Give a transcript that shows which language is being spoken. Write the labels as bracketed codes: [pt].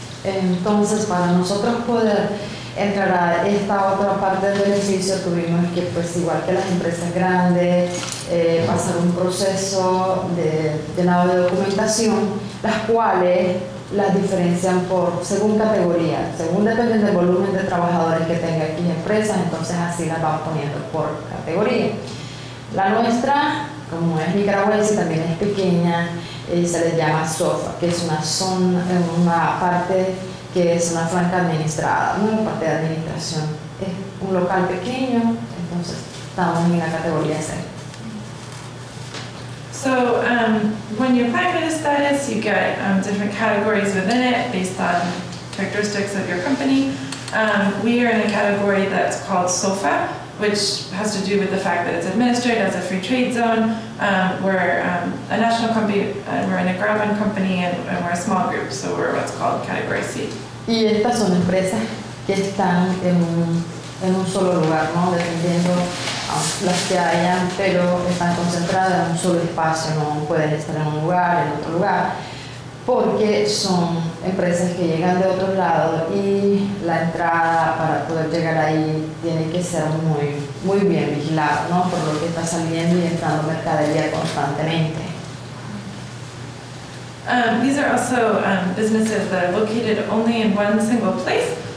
[es] Entonces, para nosotros poder entrar a esta otra parte del edificio, tuvimos que, pues, igual que las empresas grandes, pasar un proceso de llenado de documentación, las cuales las diferencian por según categoría, según dependiendo del volumen de trabajadores que tenga aquí empresas, entonces así las vamos poniendo por categoría. La nuestra, como es nicaragüense, también es pequeña, se les llama SOFA, que es una zona, una parte que es una franca administrada, no una parte de administración. Es un local pequeño, entonces estamos en la categoría C. [en] So when you apply for the status, you get different categories within it based on characteristics of your company. We are in a category that's called SOFA, which has to do with the fact that it's administered as a free trade zone. We're a national company, and we're a Nicaraguan company, and we're a small group, so we're what's called category C. [es] Y estas son empresas que están en un solo lugar, ¿no? Dependiendo las que hayan, pero están concentradas en un solo espacio, no pueden estar en un lugar, en otro lugar, porque son empresas que llegan de otros lados y la entrada para poder llegar ahí tiene que ser muy, muy bien vigilada, ¿no? Por lo que está saliendo y entrando mercadería constantemente. [en] These are also businesses that are located only in one single place.